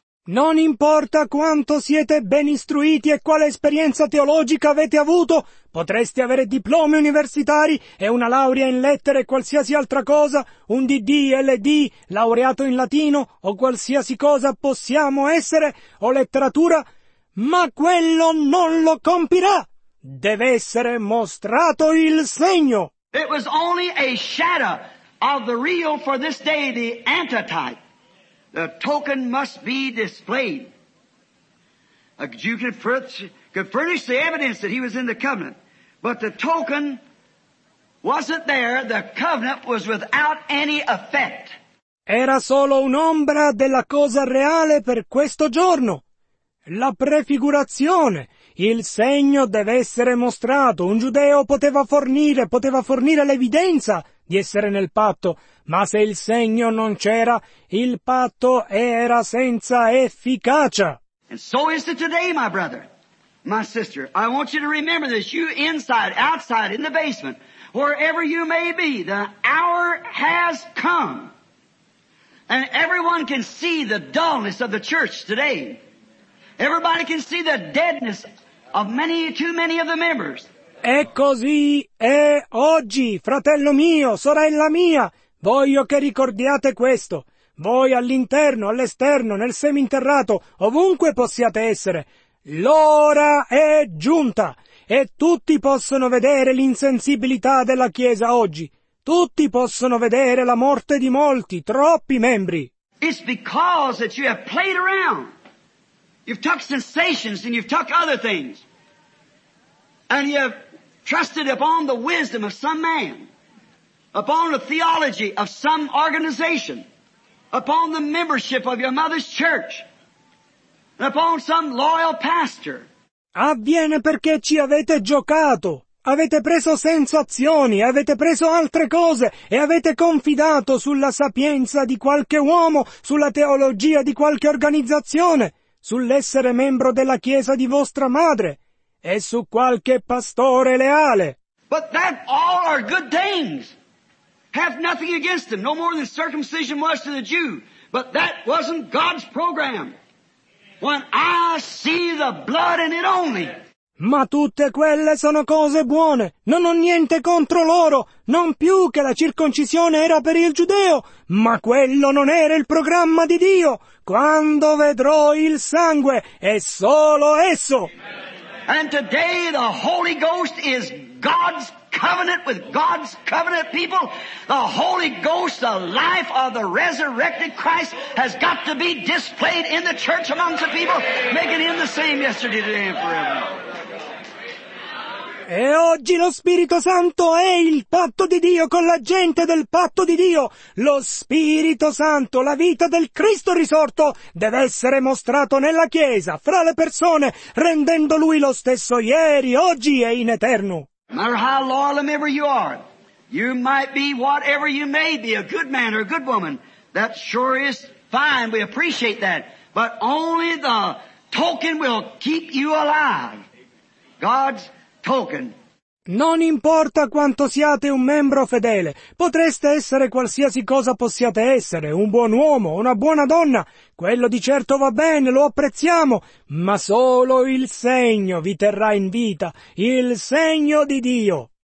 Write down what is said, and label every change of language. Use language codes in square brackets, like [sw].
[it] Non importa quanto siete ben istruiti e quale esperienza teologica avete avuto, potreste avere diplomi universitari e una laurea in lettere e qualsiasi altra cosa, un DD, LD, laureato in latino o qualsiasi cosa possiamo essere, o letteratura, ma quello non lo compirà. Deve essere mostrato il segno. [en] It was only a shadow of the real for this day, the antitype. The token must be displayed. A Jew could furnish the evidence that he was in the covenant, but the token wasn't there. The covenant was without any effect. [it] Era solo un'ombra della cosa reale per questo giorno. La prefigurazione, il segno deve essere mostrato. Un giudeo poteva fornire l'evidenza di essere nel patto, ma se il segno non c'era, il patto era senza efficacia. [en] And so is it today, my brother, my sister. I want you to remember this, you inside, outside, in the basement, wherever you may be, the hour has come. And everyone can see the dullness of the church today. Everybody can see the deadness of many, too many of the members. [it] E così è oggi, fratello mio, sorella mia, voglio che ricordiate questo. Voi all'interno, all'esterno, nel seminterrato, ovunque possiate essere, l'ora è giunta e tutti possono vedere l'insensibilità della Chiesa oggi. Tutti possono vedere la morte di molti, troppi membri. [en] It's because that you have played around. You've tucked sensations and you've tucked other things. And you have trusted upon the wisdom of some man, upon the theology of some organization, upon the membership of your mother's church, and upon some loyal pastor. [it] Avviene perché ci avete giocato, avete preso sensazioni, avete preso altre cose e avete confidato sulla sapienza di qualche uomo, sulla teologia di qualche organizzazione, sull'essere membro della chiesa di vostra madre. E su qualche pastore leale. [en] But that all are good things. have nothing against them, no more than circumcision was to the Jew. But that wasn't God's program. When I see the blood in it only. [it] Ma tutte quelle sono cose buone, non ho niente contro loro, non più che la circoncisione era per il giudeo, ma quello non era il programma di Dio, quando vedrò il sangue e solo esso. [en] And today the Holy Ghost is God's covenant with God's covenant people. The Holy Ghost, the life of the resurrected Christ, has got to be displayed in the church amongst the people, making him the same yesterday, today, and forever. [it] E oggi lo Spirito Santo è il patto di Dio con la gente del patto di Dio. Lo Spirito Santo, la vita del Cristo risorto, deve essere mostrato nella Chiesa, fra le persone, rendendo Lui lo stesso ieri, oggi e in eterno. [en] No matter how loyal a member you are, you might be whatever you may be, a good man or a good woman. That sure is fine, we appreciate that. But only the token will keep you alive. God's token. [it] Non importa quanto siate un membro fedele, potreste essere qualsiasi cosa possiate essere, un buon uomo, una buona donna, quello di certo va bene, lo apprezziamo, ma solo il segno vi terrà in vita, il segno di Dio.